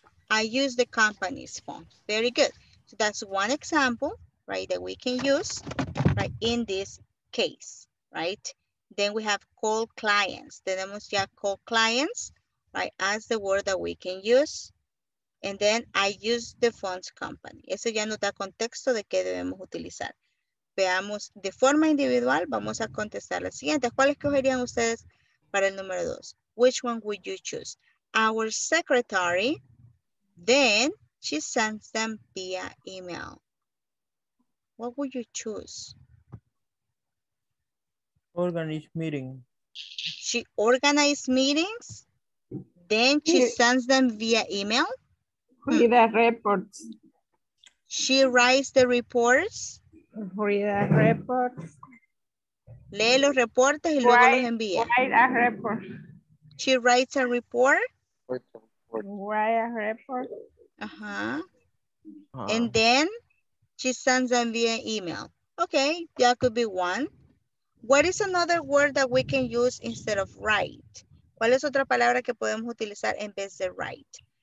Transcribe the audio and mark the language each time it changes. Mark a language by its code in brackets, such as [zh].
[en] I use the company's phone. Very good. So that's one example, right, that we can use, right, in this case, right? Then we have call clients. Tenemos ya call clients, right, as the word that we can use. And then I use the phone's company. [es] Eso ya nos da contexto de qué debemos utilizar. Veamos de forma individual, vamos a contestar la siguiente. ¿Cuáles cogerían ustedes para el número dos? Which one would you choose? [en] Our secretary, then she sends them via email. What would you choose? Organize meeting. She organizes meetings, then she sends them via email. Read the reports. She writes the reports. Read the reports. [es] Lee los reportes y luego los envía. [en] Write a report. She writes a report. Write a report. Uh-huh. And then she sends them via email. Okay, that could be one. What is another word that we can use instead of write? [es] ¿Cuál es otra palabra que podemos utilizar en vez de write?